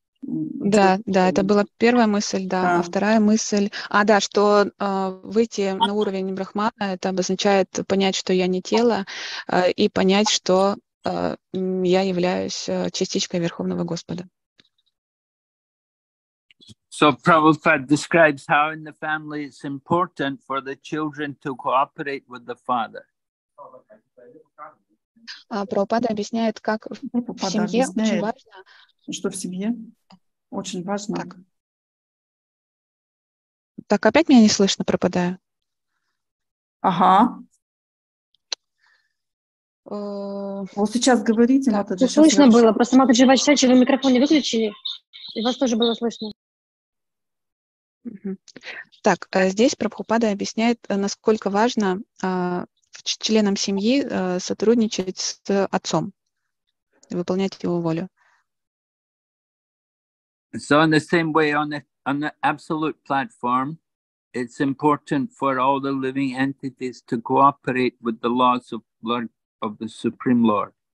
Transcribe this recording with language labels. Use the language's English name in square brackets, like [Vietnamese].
[Russian] Да, да, это была первая мысль, да. А вторая мысль, что выйти на уровень Брахмана, это обозначает понять, что я не тело, и понять, что я являюсь частичкой Верховного Господа. [English] So Prabhupada describes how in the family it's important for the children to cooperate with the father. [Russian] Прабхупада объясняет, как в семье очень важно. Что в семье очень важно. Так, опять меня не слышно, пропадаю. Ага. Вот сейчас говорите, Матаджи. Слышно было, просто Матаджи Вачачи, вы микрофон не выключили, и вас тоже было слышно. Так, здесь Прабхупада объясняет, насколько важно членам семьи сотрудничать с отцом, выполнять его волю. [English] So in the same way, on the absolute platform, it's important for all the living entities to cooperate with the laws of the Supreme Lord.